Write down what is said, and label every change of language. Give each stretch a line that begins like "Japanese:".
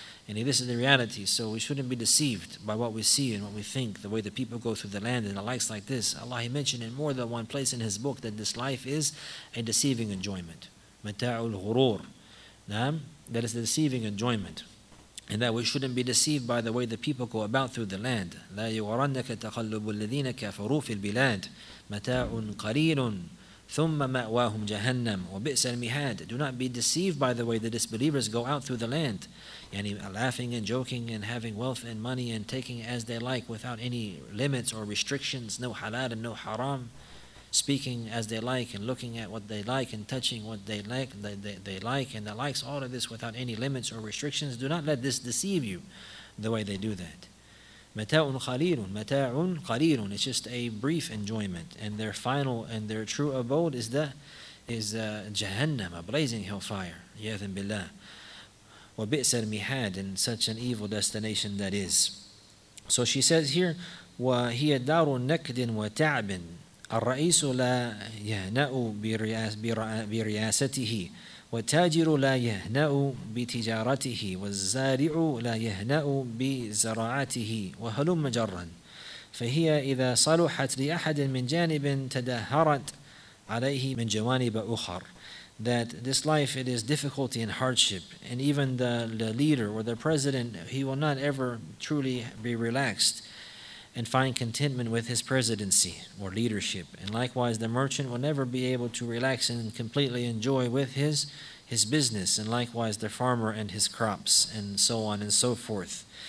English: And this is the reality, so we shouldn't be deceived by what we see and what we think, the way the people go through the land and the likes like this. Allah, He mentioned in more than one place in His book that this life is a deceiving enjoyment.
Arabic: مَتَاعُ الْغُرُورِ,
English: that is a deceiving enjoyment. And that we shouldn't be deceived by the way the people go about through the land.
Arabic: لا يغرنك تقلب الذين كفروا في البلاد متاع قليل ثم مأواهم جهنم وبئس المهاد.
English: Do not be deceived by the way the disbelievers go out through the land, yani laughing and joking and having wealth and money and taking as they like without any limits or restrictions, no halal and no haram. speaking as they like and looking at what they like and touching what they like, they like and that likes all of this without any limits or restrictions. Do not let this deceive you the way they do that.
Arabic: Mata'un khalilun, mata'un khalilun.
English: It's just a brief enjoyment. And their final and their true abode is Jahannam, a blazing hellfire.
Arabic: Ya'adhan billah. Wa bi'sa al-mihad,
English: and such an evil destination that is. So she says here,
Arabic: wa hiya darun nakdin wa ta'bin. الرئيس لا يهنأ برئاسته والتاجر لا يهنأ بتجارته والزارع لا يهنأ بزراعته وهلم جرا فهي إذا صلحت لأحد من جانب تدهرت عليه من جوانب أخر.
English: That this life, it is difficulty and hardship, and even the leader or the president, he will not ever truly be relaxed and find contentment with his presidency or leadership. And likewise, the merchant will never be able to relax and completely enjoy with his business, and likewise the farmer and his crops, and so on and so forth.